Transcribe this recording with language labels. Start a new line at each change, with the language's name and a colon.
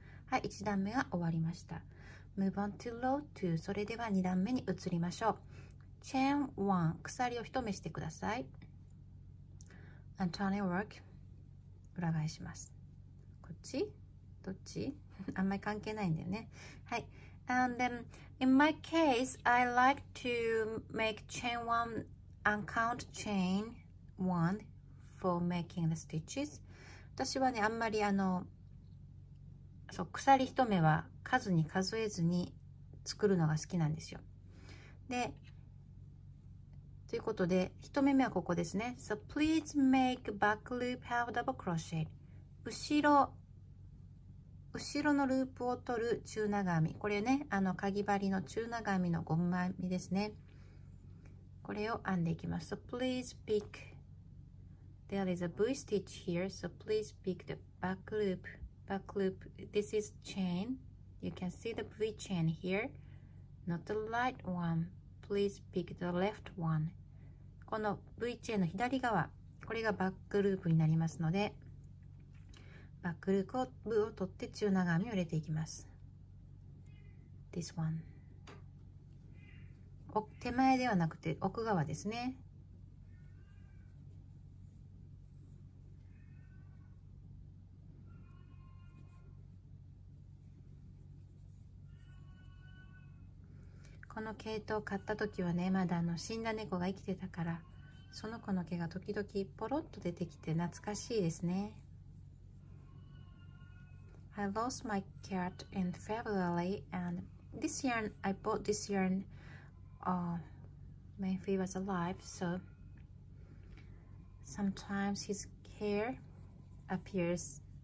Japanese: はい、1段目が終わりました。
English: Move on to row 2.
Japanese: それでは2段目に移りましょう。 Chain 1. 鎖を1目してください。 And turn your work. 裏返します。こっち？どっち？あんまり関係ないんだよね。はい。
English: And then, in my case, I like to make chain 1 and count chain. One for making the stitches.
Japanese: 私はね、あんまりそう、鎖一目は数に数えずに作るのが好きなんですよ。で、ということで、一目目はここですね。
English: So please make back loop half double crochet.
Japanese: 後ろのループを取る中長編み。これね、かぎ針の中長編みのゴム編みですね。これを編んでいきます。
English: So please pick. There is a V stitch here, so please pick the back loop. Back loop, this is chain. You can see the V chain here. Not the right one. Please pick the left one.
Japanese: この V チェーンの左側、これがバックループになりますので、バックループを取って中長編みを入れていきます。
English: This one.
Japanese: 手前ではなくて奥側ですね。この毛糸を買った時はね、まだ死んだ猫が生きてたから、その子の毛が時々ポロッと出てきて懐かしいですね。
English: I lost my cat in February and this yarn, I bought this yarn when he was alive, so sometimes his hair appears.